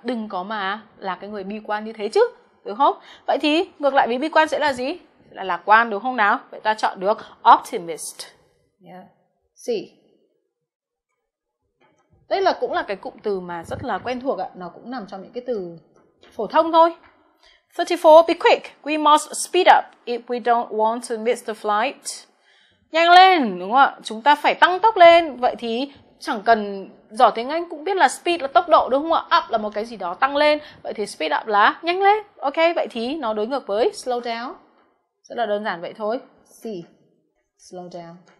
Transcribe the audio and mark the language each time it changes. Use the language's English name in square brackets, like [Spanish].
[Vietnamese] Đừng có mà là cái người bi quan như thế chứ, đúng không? Vậy thì ngược lại với bi quan sẽ là gì? Là lạc quan, đúng không nào? Vậy ta chọn được optimist. [English] Yeah. C. [Vietnamese] Đây là cũng là cái cụm từ mà rất là quen thuộc ạ. Nó cũng nằm trong những cái từ phổ thông thôi. [English] 34. Be quick. We must speed up if we don't want to miss the flight. [Vietnamese] Nhanh lên, đúng không ạ? Chúng ta phải tăng tốc lên. Vậy thì chẳng cần giỏi tiếng Anh cũng biết là speed là tốc độ, đúng không ạ? Up là một cái gì đó tăng lên. Vậy thì speed up là nhanh lên. Ok, vậy thì nó đối ngược với slow down. Rất là đơn giản vậy thôi. [English] C. Slow down.